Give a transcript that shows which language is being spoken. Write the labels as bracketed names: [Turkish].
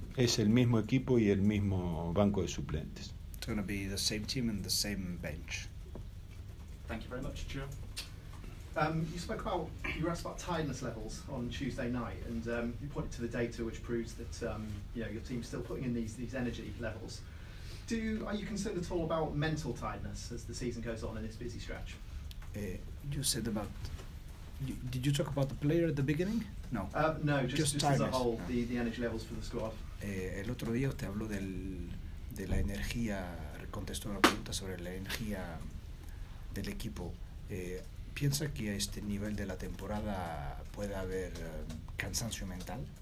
[Spanish] Es el mismo equipo y el mismo banco de suplentes. [English] It's going to be the same team and the same bench. Thank you very much, Joe. You asked about tiredness levels on Tuesday night, and you pointed to the data which proves that your team's still putting in these energy levels. Are you concerned at all about mental tiredness as the season goes on in this busy stretch? Did you talk about the player at the beginning? No. No, just as a whole, the energy levels for the squad. [Spanish] El otro día te habló de la energía, contestó una pregunta sobre la energía del equipo. ¿Piensa que a este nivel de la temporada puede haber cansancio mental?